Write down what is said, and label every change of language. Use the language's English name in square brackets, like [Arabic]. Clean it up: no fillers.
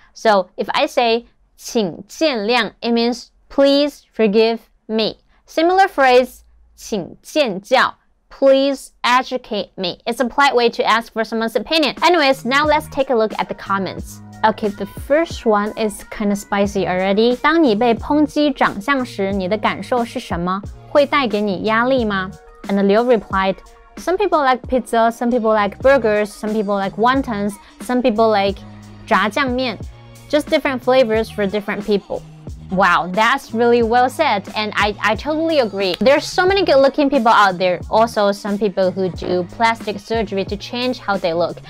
[English] So if I say [Chinese] 请见谅, [English] it means please forgive me. Similar phrase [Chinese] 请见教。 [English] Please educate me. It's a polite way to ask for someone's opinion. Anyways, now let's take a look at the comments. Okay, the first one is kind of spicy already. [Chinese] 当你被抨击长相时，你的感受是什么？会带给你压力吗？ [English] And Liu replied, some people like pizza, some people like burgers, some people like wontons, some people like 炸酱面. Just different flavors for different people. Wow, that's really well said, and I totally agree. There are so many good looking people out there. Also, some people who do plastic surgery to change how they look.